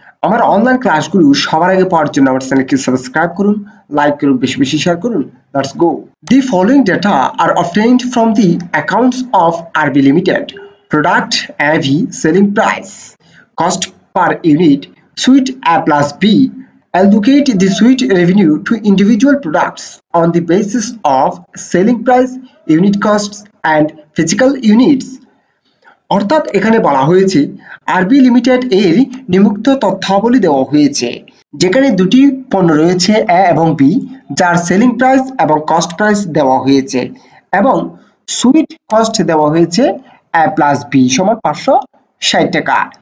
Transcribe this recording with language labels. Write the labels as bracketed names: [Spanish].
[Bangla] আমার অনলাইন ক্লাসগুলো সবার আগে পাওয়ার জন্য আমার চ্যানেলকে সাবস্ক্রাইব করুন, লাইক করুন, বেশি বেশি শেয়ার করুন। [English] Let's go. The following data are obtained from the accounts of RB limited. Product A, V selling price, cost per unit, suite A plus B. Allocate the suite revenue to individual products on the basis of selling price, unit costs and physical units. [Bangla] অর্থাৎ এখানে বলা হয়েছে আরবি limited এর নিমুক্ত তথ্যাবলী দেওয়া হয়েছে, যেখানে দুটি পণ্য রয়েছে এ এবং বি, যার সেলিং প্রাইস এবং কস্ট প্রাইস দেওয়া হয়েছে এবং সুইট কস্ট দেওয়া হয়েছে এ প্লাস বি সমান 560 টাকা।